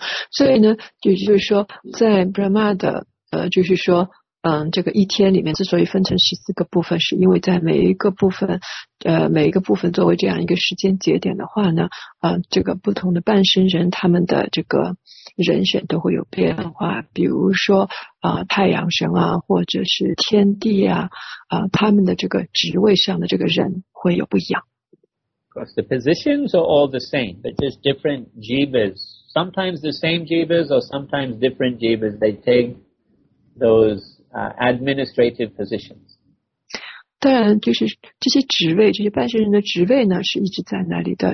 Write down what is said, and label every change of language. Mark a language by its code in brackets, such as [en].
[zh] 所以呢，就是说在 Brahma 的就是说这个一天里面之所以分成14个部分，是因为在每一个部分作为这样一个时间节点的话呢，这个不同的半生人他们的这个人选都会有变化，比如说太阳神啊，或者是天地啊，他们的这个职位上的这个人会有不一样。 [en] Because the positions are all the same, but just different jivas. Sometimes the same jivas or sometimes different jivas, they take those. Administrative positions. [zh] 当然，就是这些职位，这些半身人的职位呢，是一直在那里的。